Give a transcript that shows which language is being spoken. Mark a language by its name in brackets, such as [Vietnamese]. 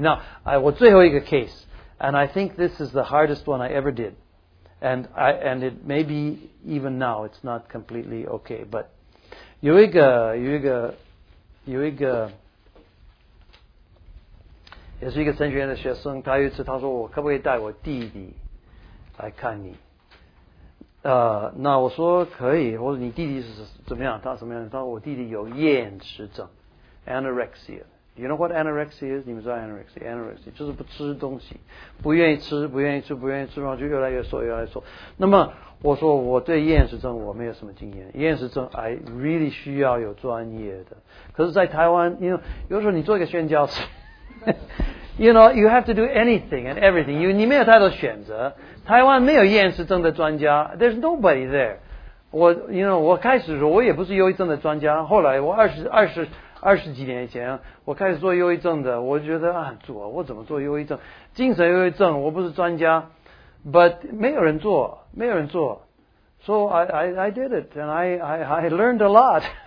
[English] Now, [Chinese] 我最后一个 [English] case, and I think this is the hardest one I ever did. And it may be even now, it's not completely okay. [Chinese] But 有一个也是一个神学院的学生，他有一次他说，我可不可以带我弟弟来看你？那我说可以。我说你弟弟是怎么样？他什么样？他说我弟弟有厌食症 ，anorexia。 [English] You know what anorexia is？ [Chinese] 你们知道 anorexia？anorexia 就是不吃东西，不愿意吃，不愿意吃，不愿意吃，然后就越来越瘦，越来越瘦。那么我说我对厌食症我没有什么经验，厌食症 [English] I really [Chinese] 需要有专业的。可是，在台湾，因为有时候你做一个宣教师。 [English] You know, you have to do anything and everything. [Chinese] 你没有太多选择。台湾没有厌食症的专家。 [English] There's nobody there. [Chinese] 我 [English] you know, [Chinese] 我开始说我也不是忧郁症的专家。后来我二十几年前我开始做忧郁症的，我觉得啊，主啊，我怎么做忧郁症？精神忧郁症我不是专家。 But 没有人做，没有人做。 [English] So I did it and I learned a lot.